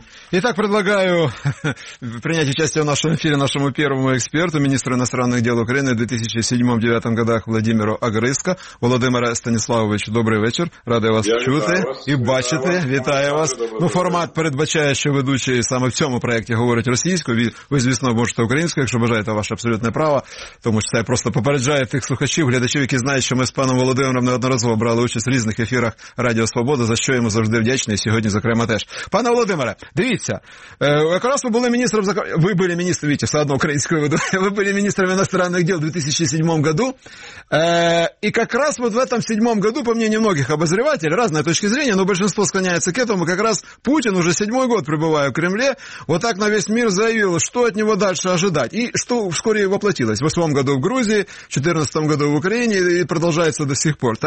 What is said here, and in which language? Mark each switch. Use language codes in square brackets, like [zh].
[ru] Итак, предлагаю принять участие в нашем эфире нашему первому эксперту, министру иностранных дел Украины в 2007-2009 годах Владимиру Огрызко. [uk] Володимир Станиславович, [ru] добрый вечер. [uk] Ради вас чути і бачити. Вітаю вас. Ну, формат передбачає, що ведучий саме в цьому проєкті говорить російською. Ви, звісно, можете українською, якщо бажаєте, ваше абсолютне право. Тому що це просто попереджає тих слухачів, глядачів, які знають, що ми з паном Володимиром неодноразово брали участь в різних ефірах Радіо Свобода, за що йому завжди вдячний, сьогодні, зокрема, теж. Пане Володимире, якраз ви були міністром, ви були міністром, видите, все одно українською веду, ви були міністром іноземних справ у [ru] 2007 году, і якраз вот в этом 7 году, по мнению многих обозревателей, разные точки зрения, но большинство склоняется к этому, как раз Путин уже 7 год пребывая в Кремле, вот так на весь мир заявил, что от него дальше ожидать, и что вскоре воплотилось. В 8 году в Грузии, в 14 году в Украине, и продолжается до сих пор.